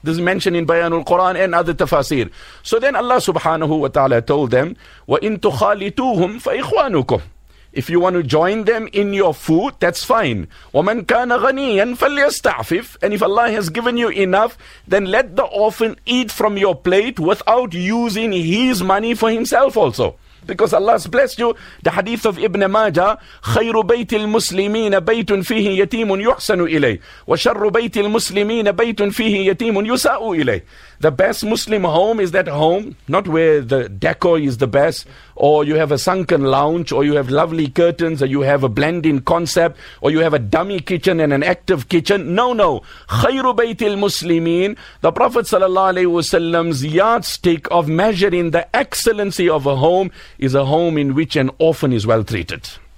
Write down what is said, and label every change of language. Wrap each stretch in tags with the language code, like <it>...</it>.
<en>This is mentioned in Bayanul Quran and other tafasir. So then Allah subhanahu wa ta'ala told them,</en> <ar>وَإِن تُخَالِتُوهُمْ فَإِخْوَانُكُمْ.</ar> <en>If you want to join them in your food, that's fine.</en> <ar>وَمَنْ كَانَ غَنِيًّا فَلْيَسْتَعْفِفْ.</ar> <en>And if Allah has given you enough, then let the orphan eat from your plate without using his money for himself also. Because Allah has blessed you. The hadith of Ibn Majah,</en> <ar>خَيْرُ بَيْتِ الْمُسْلِمِينَ بَيْتٌ فِيهِ يَتِيمٌ يُحْسَنُ إِلَيْهِ وَشَرُّ بَيْتِ الْمُسْلِمِينَ بَيْتٌ فِيهِ يَتِيمٌ يُسَاءُ إِلَيْهِ.</ar> <en>The best Muslim home is that home, not where the decor is the best, or you have a sunken lounge, or you have lovely curtains, or you have a blending concept, or you have a dummy kitchen and an active kitchen. No.</en> <ar>خَيْرُ بَيْتِ الْمُسْلِمِينَ.</ar> <en>The Prophet sallallahu alaihi wasallam's yardstick of measuring the excellency of a home is a home in which an orphan is well treated.</en>